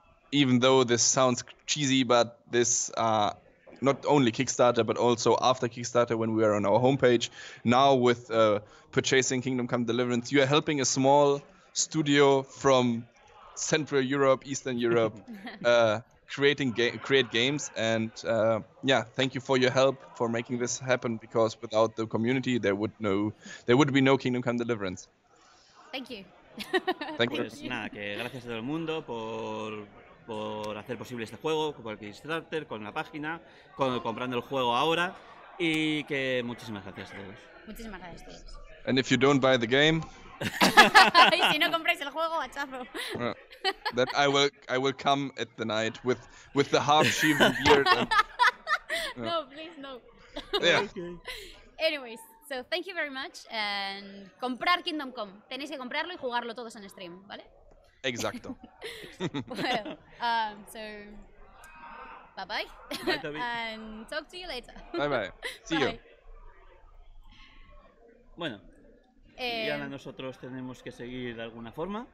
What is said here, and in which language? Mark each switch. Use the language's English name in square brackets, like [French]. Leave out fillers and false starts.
[English] Even though this sounds cheesy, but this not only Kickstarter, but also after Kickstarter, when we are on our homepage, now with purchasing Kingdom Come Deliverance, you are helping a small studio from Central Europe, Eastern Europe, create games. And yeah, thank you for your help for making this happen, because without the community, there would be no Kingdom Come Deliverance. Thank you. [Spanish] Pues nada, que gracias a todo el mundo por hacer posible este juego, por el Kickstarter, con la página, comprando el juego ahora, y que muchísimas gracias a todos. Muchísimas gracias a todos. [English] And if you don't buy the game, [Spanish] y si no compráis el juego, hachazo. [English] That I will come at the night with the half shaven beard. No, please no. Yeah. Okay. Anyways. So thank you very much, and [Spanish] comprar [English] Kingdom Come. [Spanish] Tenéis que comprarlo y jugarlo todos en stream, ¿vale? Exacto. [English] Well, so bye bye. And talk to you later. Bye bye. See you. [Spanish] Bueno. Y ahora nosotros tenemos que seguir de alguna forma.